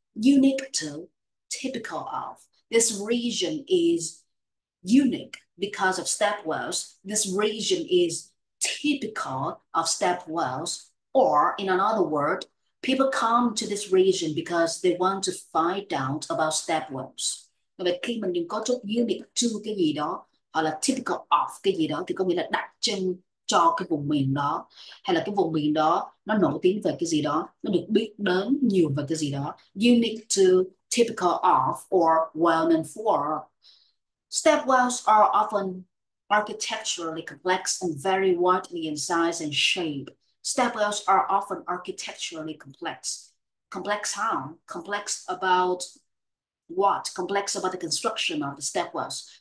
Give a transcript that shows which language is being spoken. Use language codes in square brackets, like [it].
[en] Unique to, typical of, this region is unique because of step wells. This region is typical of step wells, or in another word, people come to this region because they want to find out about step wells. [vi] Vậy khi mình dùng cấu trúc unique to cái gì đó hoặc là typical of cái gì đó thì có nghĩa là đặc trưng cho cái vùng miền đó, hay là cái vùng miền đó nó nổi tiếng về cái gì đó, nó được biết đến nhiều về cái gì đó. [en] Unique to, typical of, or well known for. Step wells are often architecturally complex and vary widely in size and shape. Step wells are often architecturally complex. Complex how? Complex about what? Complex about the construction of the step wells.